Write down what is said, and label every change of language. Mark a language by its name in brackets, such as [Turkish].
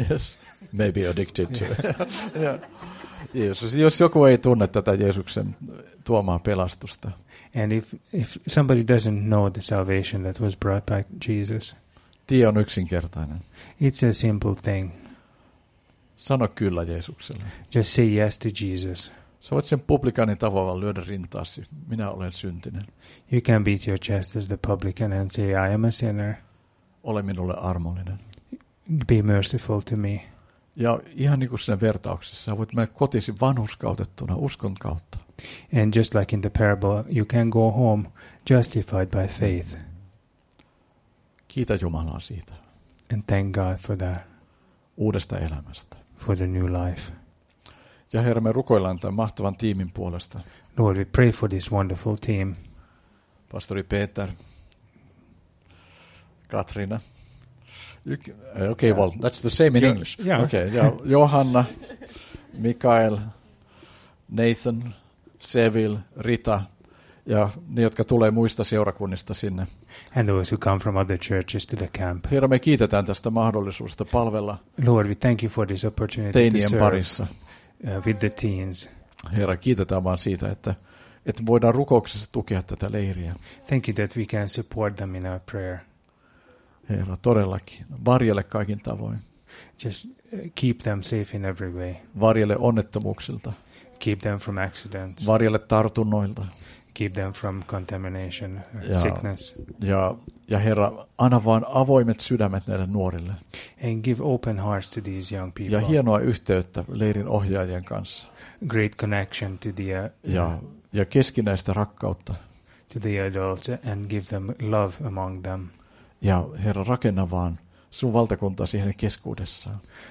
[English] Yes, maybe addicted to it. [Finnish] Jeesus, jos joku ei tunne tätä Jeesuksen tuomaa pelastusta. [English] And if somebody doesn't know the salvation that was brought by Jesus. [Finnish] Tie on yksinkertainen. [English] It's a simple thing. [Finnish] Sano kyllä Jeesukselle. [English] Just say yes to Jesus. [Finnish] Sä voit sen publikaanin tavalla lyödä rintaasi. Minä olen syntinen. [English] You can beat your chest as the publican and say I am a sinner. [Finnish] Ole minulle armollinen. [English] Be merciful to me. [Finnish] Ja ihan niin kuin siinä vertauksessa, sä voit mennä kotiisi vanhurskautettuna uskon kautta. [English] And just like in the parable, you can go home justified by faith. [Finnish] Kiitä Jumalaa siitä. [English] And thank God for that. [Finnish] Uudesta elämästä. [English] For the new life. [Finnish] Ja Herra, me rukoillaan tämän mahtavan tiimin puolesta. [English] Lord, we pray for this wonderful team. [Finnish] Pastori Peter, Katriina, [English] Okay, well, that's the same in English. Yeah. Okay, yeah. [Finnish] Johanna, Mikael, Nathan, Seville, Rita, ja ne, jotka tulee muista seurakunnista sinne. [English] And those who come from other churches to the camp. [Finnish] Herra, me kiitetään tästä mahdollisuudesta palvella. [English] Lord, we thank you for this opportunity [Finnish] teinien [English] to serve [Finnish] parissa. [English] With the teens. [Finnish] Herra, kiitetään vaan siitä, että voidaan rukouksessa tukea tätä leiriä. [English] Thank you that we can support them in our prayer. [Finnish] Herra, todellakin. Varjele kaikin tavoin. [English] Just keep them safe in every way. [Finnish] Varjele onnettomuuksilta. [English] Keep them from accidents. [Finnish] Varjele tartunnoilta. [English] Keep them from contamination or sickness. [Finnish] Ja Herra, anna vaan avoimet sydämet näille nuorille. [English] And give open hearts to these young people. [Finnish] Ja hienoa yhteyttä leirin ohjaajien kanssa. [English] Great connection to the [Finnish] ja keskinäistä rakkautta. [English] To the adults and give them love among them. [Finnish] Ja Herra, rakenna vaan sun valtakuntaa siihen keskuudessaan.